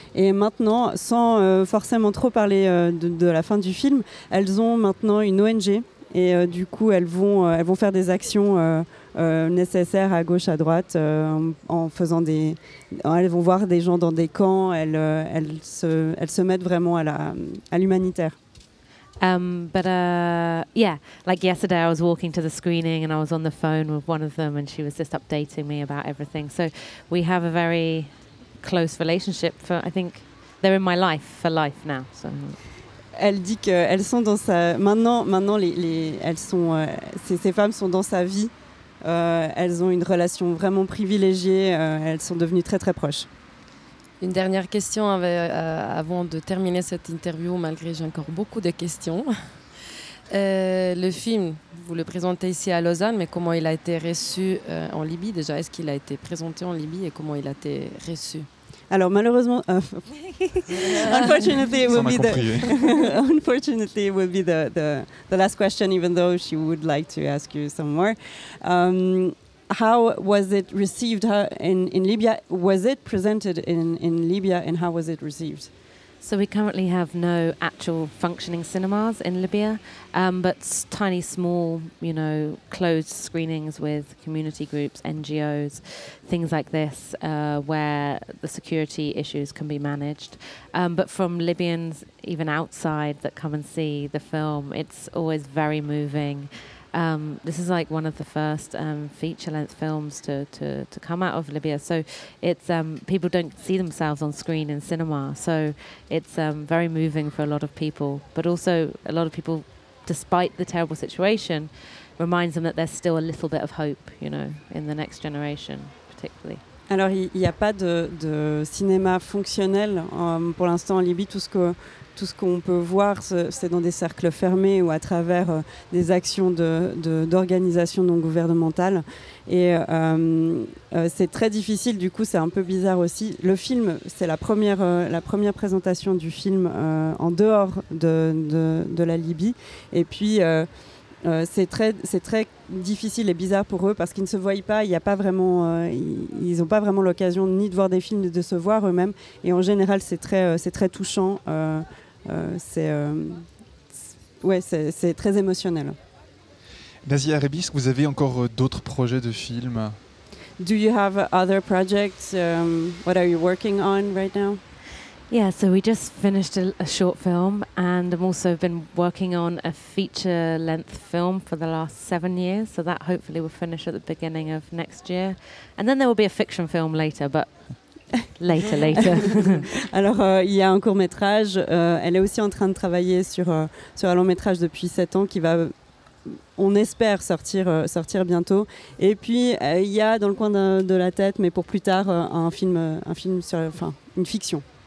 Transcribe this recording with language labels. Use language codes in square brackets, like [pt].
[fr] Et maintenant, sans forcément trop parler de la fin du film, elles ont maintenant une ONG. Et du coup, elles vont faire des actions nécessaires à gauche, à droite, elles vont voir des gens dans des camps, elles se mettent vraiment à l'humanitaire. [en] Like yesterday I was walking to the screening and I was on the phone with one of them and she was just updating me about everything. So we have a very close relationship for, I think, they're in my life for life now. So. [fr] Elle dit qu'elles sont dans sa... Maintenant ces femmes sont dans sa vie. Elles ont une relation vraiment privilégiée. Elles sont devenues très, très proches. Une dernière question avant de terminer cette interview, malgré j'ai encore beaucoup de questions. Le film, vous le présentez ici à Lausanne, mais comment il a été reçu en Libye? Déjà, est-ce qu'il a été présenté en Libye et comment il a été reçu? Alors malheureusement, [en] unfortunately, it would be the last question, even though she would like to ask you some more. How was it received in Libya? Was it presented in Libya, and how was it received? So we currently have no actual functioning cinemas in Libya, but tiny, small, you know, closed screenings with community groups, NGOs, things like this, where the security issues can be managed. But from Libyans, even outside, that come and see the film, it's always very moving. This is like one of the first feature-length films to come out of Libya. So it's people don't see themselves on screen in cinema. So it's very moving for a lot of people. But also a lot of people, despite the terrible situation, reminds them that there's still a little bit of hope, you know, in the next generation particularly. [fr] Alors, il n'y a pas de cinéma fonctionnel pour l'instant en Libye. Tout ce qu'on peut voir, c'est dans des cercles fermés ou à travers des actions d'organisations non gouvernementales. Et c'est très difficile, du coup, c'est un peu bizarre aussi. Le film, c'est la première présentation du film en dehors de la Libye. Et puis, c'est très difficile et bizarre pour eux parce qu'ils ne se voient pas, ils n'ont pas vraiment l'occasion ni de voir des films ni de se voir eux-mêmes. Et en général, c'est très touchant. C'est très émotionnel. Nazia Arebi, est-ce que vous avez encore d'autres projets de films? [en] Do you have other projects? What are you working on right now? Yeah, so we just finished a short film, and I've also been working on a feature-length film for the last 7 years. So that hopefully will finish at the beginning of next year, and then there will be a fiction film later, but. Later. [fr] Alors, il y a un court-métrage. Elle est aussi en train de travailler sur un long-métrage depuis 7 ans qui va, on espère, sortir bientôt. Et puis, il y a dans le coin de la tête, mais pour plus tard, un film sur, enfin, une fiction.